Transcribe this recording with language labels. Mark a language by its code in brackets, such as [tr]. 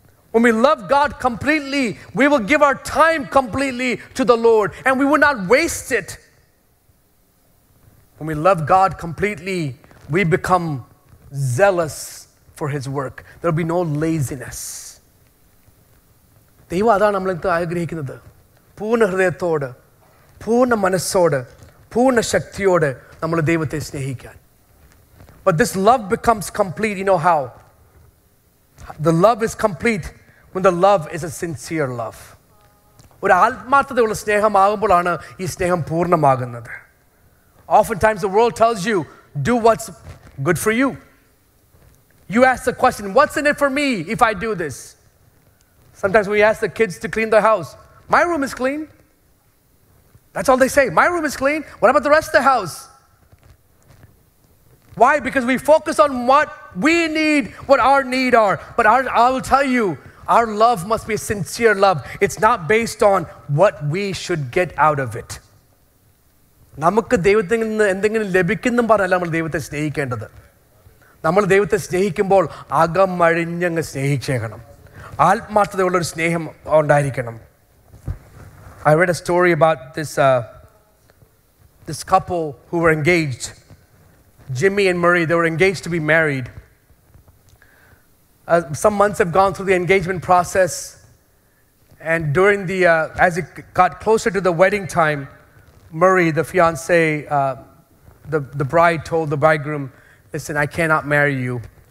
[en] When we love God completely, we will give our time completely to the Lord, and we will not waste it. When we love God completely, we become zealous for His work. There will be no laziness. [ml] ദൈവം അതാണ് നമ്മളെന്ത് ആഗ്രഹിക്കുന്നത്, പൂർണ്ണ ഹൃദയത്തോട്, പൂർണ്ണ മനസ്സോട്, പൂർണ്ണ ശക്തിയോട് നമ്മൾ ദൈവത്തെ സ്നേഹിക്കാൻ. [en] But this love becomes complete, you know how? The love is complete when the love is a sincere love. [ml] ഒരു ആത്മാർത്ഥതയുള്ള സ്നേഹമാകുമ്പോഴാണ് ഈ സ്നേഹം പൂർണ്ണമാകുന്നത്. [en] Oftentimes the world tells you, do what's good for you. You ask the question, what's in it for me if I do this? Sometimes we ask the kids to clean the house. My room is clean. That's all they say. My room is clean. What about the rest of the house? Why? Because we focus on what we need, what our need are. But I will tell you, our love must be a sincere love. It's not based on what we should get out of it. [ml] നമുക്ക് ദൈവത്തിൽ നിന്ന് എന്തെങ്കിലും ലഭിക്കുന്നു പറഞ്ഞല്ല നമ്മൾ ദൈവത്തെ സ്നേഹിക്കേണ്ടത്. നമ്മൾ ദൈവത്തെ സ്നേഹിക്കുമ്പോൾ അകമഴിഞ്ഞങ്ങ് സ്നേഹിച്ചേക്കണം. ആത്മാർത്ഥതയുള്ള ഒരു സ്നേഹം ഉണ്ടായിരിക്കണം. [en] I read a story about this couple who were engaged. Jimmy and Marie, they were engaged to be married. Some months have gone through the engagement process, and during the as it got closer to the wedding time, Murray, the fiancé, the bride told the bridegroom, listen, I cannot marry you.